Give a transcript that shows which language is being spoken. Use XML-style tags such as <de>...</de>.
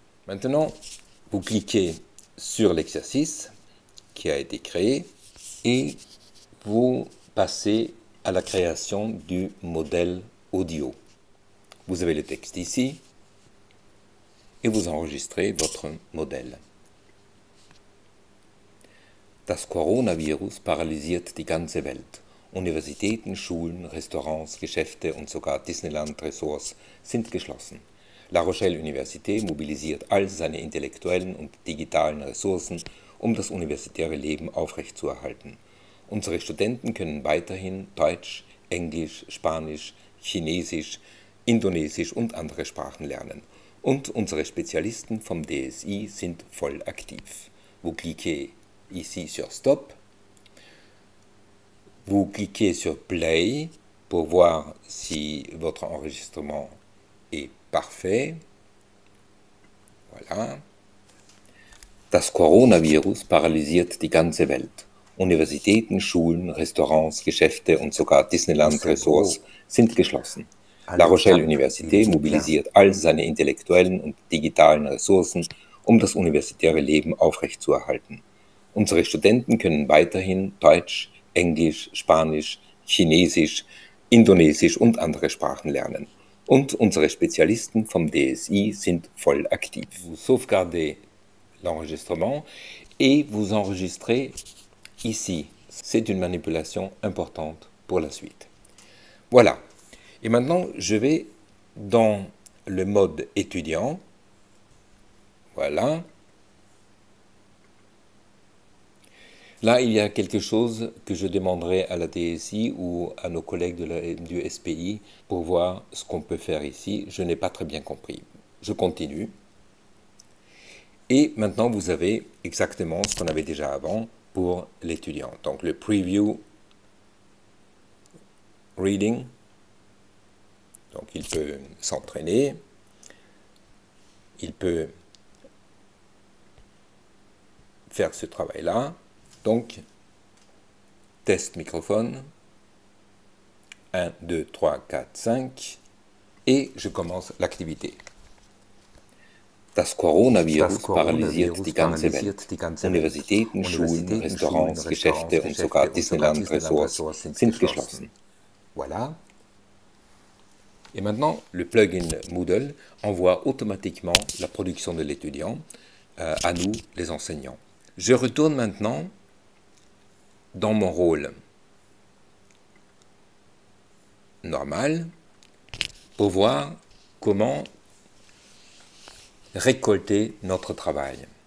<fr>Maintenant, vous cliquez sur l'exercice qui a été créé et vous passez à la création du modèle audio. Vous avez le texte ici. Et vous enregistrez votre modèle.</fr> <de>Das Coronavirus paralysiert die ganze Welt. Universitäten, Schulen, Restaurants, Geschäfte und sogar Disneyland-Resorts sind geschlossen. La Rochelle-Université mobilisiert all seine intellektuellen und digitalen Ressourcen, um das universitäre Leben aufrechtzuerhalten. Unsere Studenten können weiterhin Deutsch, Englisch, Spanisch, Chinesisch, Indonesisch und andere Sprachen lernen. Und unsere Spezialisten vom DSI sind voll aktiv.</de> <fr>Vous cliquez ici sur Stop. Vous cliquez sur Play pour voir si votre enregistrement est parfait. Voilà.</fr> <de>Das Coronavirus paralysiert die ganze Welt. Universitäten, Schulen, Restaurants, Geschäfte und sogar Disneyland-Resorts sind geschlossen. La Rochelle Université mobilisiert all seine intellektuellen und digitalen Ressourcen, um das universitäre Leben aufrechtzuerhalten. Unsere Studenten können weiterhin Deutsch, Englisch, Spanisch, Chinesisch, Indonesisch und andere Sprachen lernen. Und unsere Spezialisten vom DSI sind voll aktiv.</de> <fr>Vous sauvegardez l'enregistrement et vous enregistrez ici. C'est une manipulation importante pour la suite. Voilà. Et maintenant, je vais dans le mode étudiant. Voilà. Là, il y a quelque chose que je demanderai à la DSI ou à nos collègues du SPI pour voir ce qu'on peut faire ici. Je n'ai pas très bien compris. Je continue. Et maintenant, vous avez exactement ce qu'on avait déjà avant pour l'étudiant. Donc, le preview reading. Donc, il peut s'entraîner. Il peut faire ce travail-là. Donc, test microphone. 1, 2, 3, 4, 5. Et je commence l'activité.</fr> <de>Das Coronavirus paralysiert die ganze Welt. Universitäten, Schulen, Restaurants, Geschäfte und sogar Disneyland-Ressorts sind geschlossen.</de> <fr>Voilà. Et maintenant, le plugin Moodle envoie automatiquement la production de l'étudiant à nous, les enseignants. Je retourne maintenant dans mon rôle normal pour voir comment récolter notre travail.</fr>